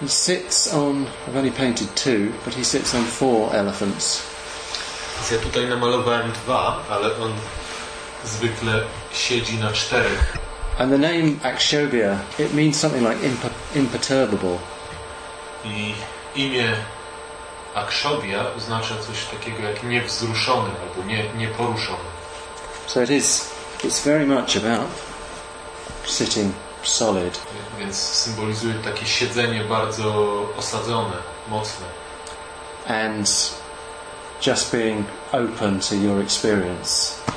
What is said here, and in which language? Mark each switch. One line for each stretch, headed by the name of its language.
English: He sits on, I've only painted two, but he sits on four elephants.
Polish: Ja tutaj namalowałem dwa, ale on zwykle siedzi na czterech.
English: And the name Akshobhya, it means something like imperturbable.
Polish: I imię Akshobhya oznacza coś takiego jak niewzruszony albo nieporuszony.
English: So it is, it's very much about sitting solid.
Polish: Więc symbolizuje takie siedzenie bardzo osadzone, mocne.
English: And just being open to your experience.